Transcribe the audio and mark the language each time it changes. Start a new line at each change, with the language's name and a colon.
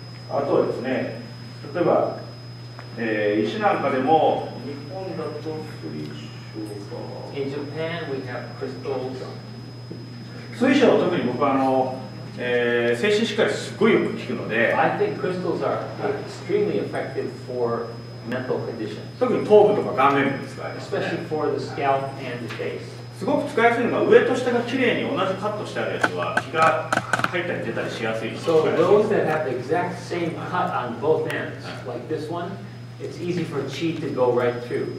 Japanese: あとですね、例えば、石なんかでも日本だと水晶が。
English: In Japan we have crystals.
Japanese: 水晶は特に僕は精神疾患すごいよく効くので
English: I think crystals are extremely effective for mental conditions
Japanese: 特に頭部とか顔面部に使います、ね、
English: Especially for the scalp and the face
Japanese: すごく使いやすいのが上と下がきれいに同じカットしてあるやつは気が入ったり出たりしやすい
English: So those that have the exact same cut on both ends like this one it's easy for qi to go right through、